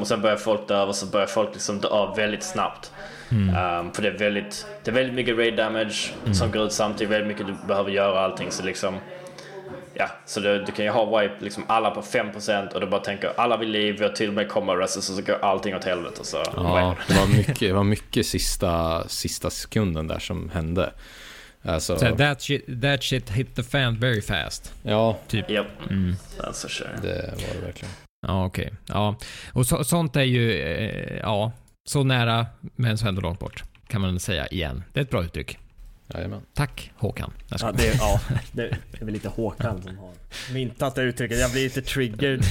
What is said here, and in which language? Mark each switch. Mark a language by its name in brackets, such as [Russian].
[Swedish] Och sen börjar folk dö, och så börjar folk liksom dö av väldigt snabbt. För det är väldigt mycket raid damage som går ut samtidigt, väldigt mycket du behöver göra allting, så liksom. Ja, så du kan ju ha wipe liksom alla på 5% och du bara tänker, alla vill liv, vi har till och med combat resist, och så går allting åt helvete. Så. Ja, det var mycket, sista sekunden där som hände. [English] Alltså, so that shit hit the fan very fast. [Swedish] Ja, [English] typ. Yep. That's for sure. [Swedish] Det var det verkligen. Ja, okej. Okay. Ja, och sånt är ju så nära, men så ändå långt bort, kan man säga igen. Det är ett bra uttryck. Jajamän. Tack Håkan. Det är väl lite Håkan som har myntat det uttrycket. Jag blir lite triggered.